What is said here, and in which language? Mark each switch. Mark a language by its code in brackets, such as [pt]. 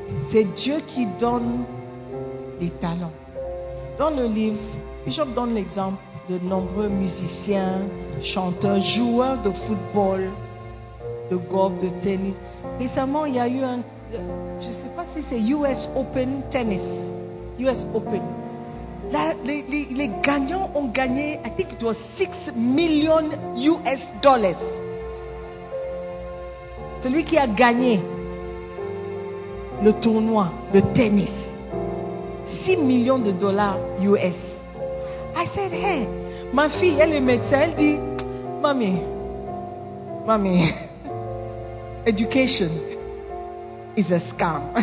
[fr] C'est Dieu qui donne les talents. Dans le livre, je donne l'exemple. De nombreux musiciens, chanteurs, joueurs de football, de golf, de tennis. Récemment, il y a eu un, je ne sais pas si c'est US Open Tennis. US Open. Là, les gagnants ont gagné, [en] I think it was 6 million US dollars. [fr] Celui qui a gagné le tournoi de tennis, 6 millions de dollars US. [en] I said, hey, [fr] ma fille, elle est médecin, elle dit, Mami, [en] education is a scam.